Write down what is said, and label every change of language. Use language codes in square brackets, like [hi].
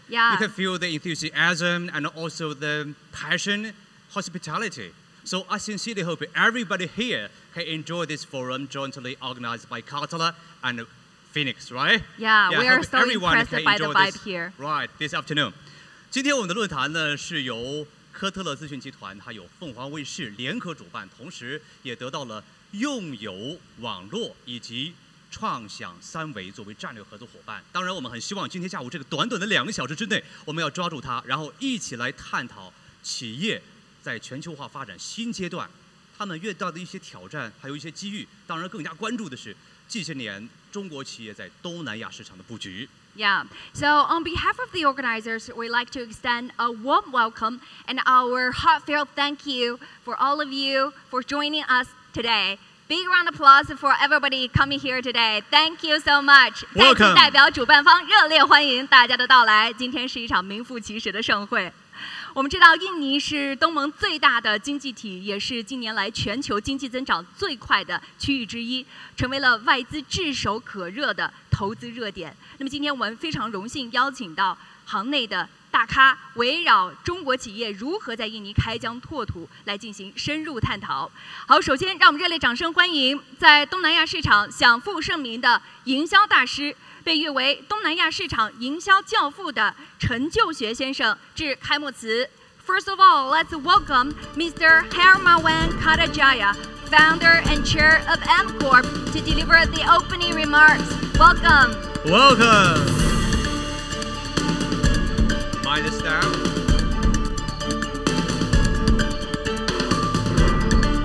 [en] Yeah. You can feel the enthusiasm and also the passion, hospitality. So I sincerely hope everybody here can enjoy this forum jointly organized by Cutler and Phoenix, right? Yeah, yeah, we are so impressed by the vibe here. Right, this afternoon. [zh] 今天我们的论坛呢是由科特勒咨询集团还有凤凰卫视联合主办，同时也得到了用友网络以及创想三维作为战略合作伙伴。当然我们很希望今天下午这个短短的2个小时之内，我们要抓住它，然后一起来探讨企业在全球化发展新阶段他们遇到的一些挑战还有一些机遇，当然更加关注的是近些年中国企业在东南亚市场的布局。 [en] Yeah, so on behalf of the organizers, we'd like to extend a warm welcome and our heartfelt thank you for all of you for joining us today. Big round of applause for everybody coming here today. Thank you so much. Welcome. [zh] 代表主办方热烈欢迎大家的到来，今天是一场名副其实的盛会。我们知道印尼是东盟最大的经济体，也是近年来全球经济增长最快的区域之一，成为了外资炙手可热的投资热点。那么今天我们非常荣幸邀请到行内的大咖，围绕中国企业如何在印尼开疆拓土来进行深入探讨。好，首先让我们热烈掌声欢迎在东南亚市场享负盛名的营销大师，被誉为东南亚市场营销教父的陈旧学先生致开幕词。 [en] First of all, let's welcome Mr. Hermawan Kadajaya, founder and chair of M Corp, to deliver the opening remarks. Welcome. Welcome. Mind the staff.